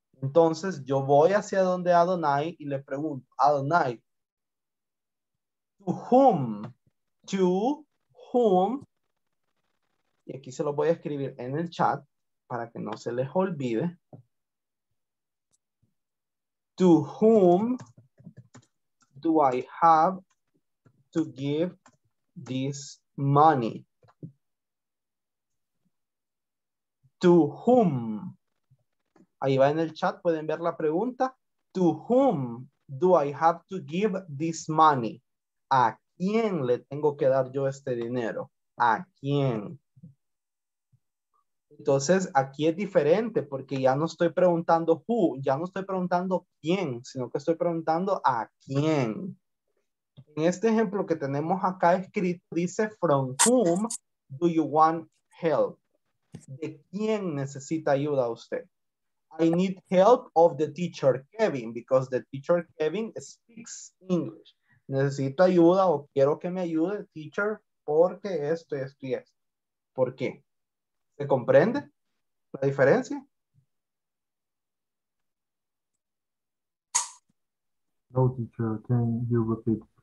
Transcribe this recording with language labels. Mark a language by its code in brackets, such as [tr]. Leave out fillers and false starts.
[es] Entonces, yo voy hacia donde Adonai y le pregunto, Adonai, [en] to whom, [es] y aquí se lo voy a escribir en el chat, para que no se les olvide. [en] To whom do I have to give this money? To whom? [es] Ahí va en el chat, pueden ver la pregunta. [en] To whom do I have to give this money? [es] ¿A quién le tengo que dar yo este dinero? ¿A quién? Entonces, aquí es diferente porque ya no estoy preguntando who, ya no estoy preguntando quién, sino que estoy preguntando a quién. En este ejemplo que tenemos acá escrito, dice, [en] from whom do you want help? [es] ¿De quién necesita ayuda usted? [en] I need help of the teacher Kevin, because the teacher Kevin speaks English. [es] Necesito ayuda o quiero que me ayude, teacher, porque esto, esto y esto. ¿Por qué? ¿Se comprende la diferencia? [en] No, teacher, can you repeat?